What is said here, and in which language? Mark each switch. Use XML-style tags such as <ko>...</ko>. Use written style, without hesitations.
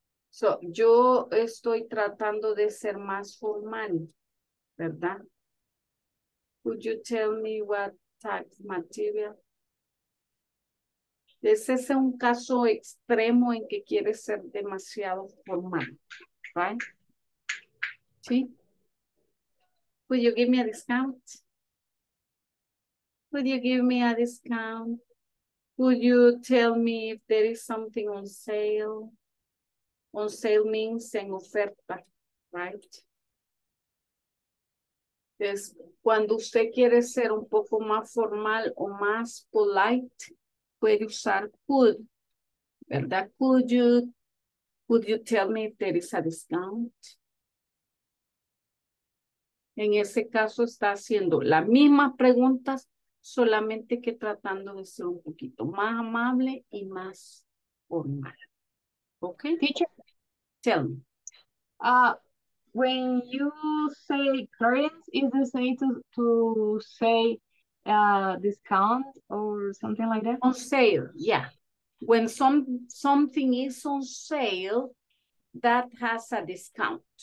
<en>So,</en> <es>yo estoy tratando de ser más formal, ¿verdad?</es> <en>Could you tell me what type of material?</en> <es>Ese es un caso extremo en que quiere ser demasiado formal,</es> <en>right?</en> <es>¿Sí?</es> <en>Would you give me a discount? Would you give me a discount? Would you tell me if there is something on sale? On sale means</en> <es>en oferta,</es> <en>right?</en> <es>Entonces, cuando usted quiere ser un poco más formal o más polite, puede usar could, ¿verdad?</es> <en>Could you tell me if there is a discount?</en> <es>En ese caso está haciendo las mismas preguntas, solamente que tratando de ser un poquito más amable y más formal. ¿Ok?</es> <en>Teacher, tell me. When you say current, is the same to say discount or something like that? On sale, yeah. When something is on sale, that has a discount.</en>